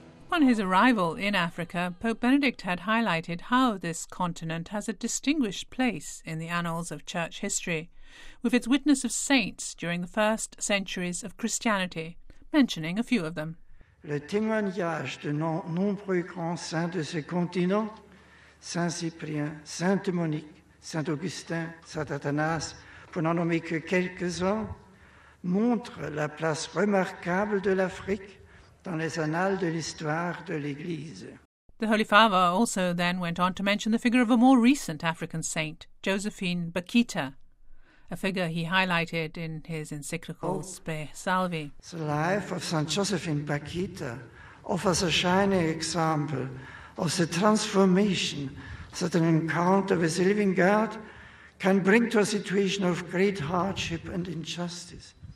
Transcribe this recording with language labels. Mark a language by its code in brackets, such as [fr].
[en] On his arrival in Africa, Pope Benedict had highlighted how this continent has a distinguished place in the annals of church history, with its witness of saints during the first centuries of Christianity, mentioning a few of them. [fr] Le témoignage de nombreux grands saints de ce continent, Saint Cyprien, Sainte Monique, Saint Augustin, Saint Athanase, pour n'en nommer que quelques-uns, montre la place remarquable de l'Afrique dans les annales de l'histoire de l'Église. [en] The Holy Father also then went on to mention the figure of a more recent African saint, Josephine Bakita, a figure he highlighted in his encyclical Spe Salvi. The life of Saint Josephine Bakita offers a shining example of the transformation that an encounter with the living God can bring to a situation of great hardship and injustice.